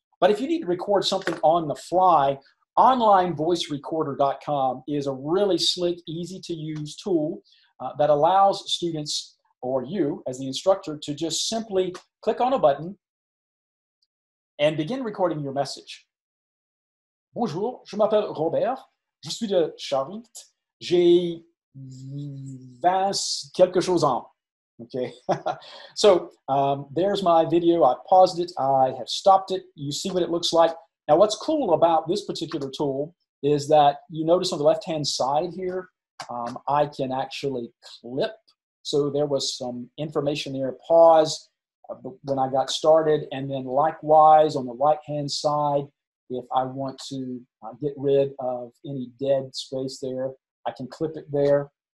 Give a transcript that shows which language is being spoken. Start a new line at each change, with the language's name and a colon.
English: But if you need to record something on the fly, onlinevoicerecorder.com is a really slick, easy-to-use tool that allows students or you as the instructor to just simply click on a button and begin recording your message.
French: Bonjour, je m'appelle Robert, je suis de Charlotte, j'ai 20 quelque chose en.
English: Okay, so there's my video, I paused it, I have stopped it, you see what it looks like. Now what's cool about this particular tool is that you notice on the left-hand side here, I can actually clip. So there was some information there, pause when I got started, and then likewise on the right-hand side, if I want to get rid of any dead space there, I can clip it there.